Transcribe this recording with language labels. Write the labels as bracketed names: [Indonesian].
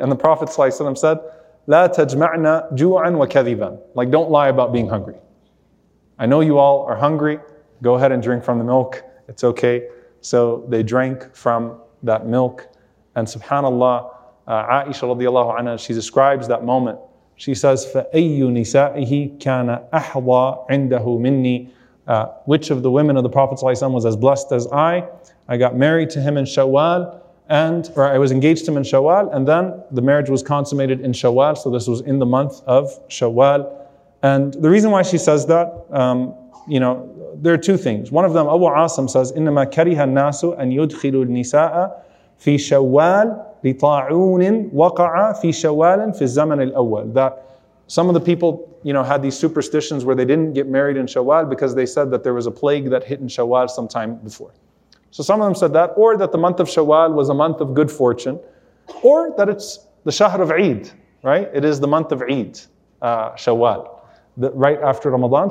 [English] And the Prophet ﷺ said, [Arabic] لا تجمعنا جوعا وكذبا. [English] Like, don't lie about being hungry. I know you all are hungry. Go ahead and drink from the milk. It's okay. So they drank from that milk. And subhanAllah, Aisha radiallahu anha, she describes that moment. She says, [Arabic] فَأَيُّ نِسَائِهِ كَانَ أَحْضَى عِنْدَهُ مِنِّي. [English] Which of the women of the Prophet ﷺ was as blessed as I? I got married to him in Shawwal, or I was engaged to him in Shawwal, and then the marriage was consummated in Shawwal, so this was in the month of Shawwal. And the reason why she says that, there are two things. One of them, Abu Asim says, [Arabic] إِنَّمَا كَرِهَ النَّاسُ أَنْ يُدْخِلُوا النِّسَاءَ فِي شَوَّالٍ لِطَاعُونٍ وَقَعَ فِي شَوَّالٍ فِي الزَّمَنِ الْأَوَّلِ. [English] That some of the people, had these superstitions where they didn't get married in Shawwal because they said that there was a plague that hit in Shawwal sometime before. So some of them said that, or that the month of Shawwal was a month of good fortune, or that it's the Shahr of Eid, right? It is the month of Eid, Shawwal, right after Ramadan.